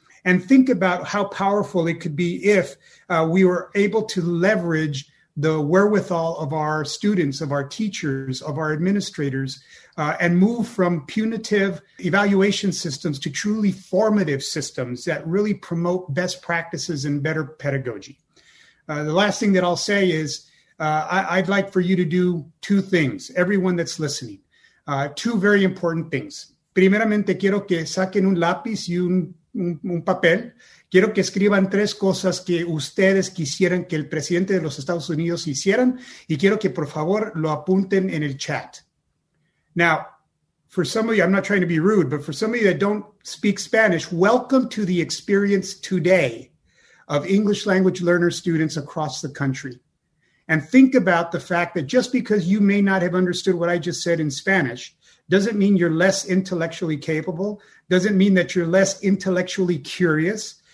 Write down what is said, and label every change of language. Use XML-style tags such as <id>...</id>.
<en>And think about how powerful it could be if we were able to leverage the wherewithal of our students, of our teachers, of our administrators, and move from punitive evaluation systems to truly formative systems that really promote best practices and better pedagogy. The last thing that I'll say is, I'd like for you to do two things, everyone that's listening, two very important things.</en> <es>Primeramente, quiero que saquen un lápiz y un papel. Quiero que escriban tres cosas que ustedes quisieran que el presidente de los Estados Unidos hicieran, y quiero que por favor lo apunten en el chat.</es> <en>Now, for some of you, I'm not trying to be rude, but for some of you that don't speak Spanish, welcome to the experience today of English language learner students across the country. And think about the fact that just because you may not have understood what I just said in Spanish, doesn't mean you're less intellectually capable, doesn't mean that you're less intellectually curious.</en>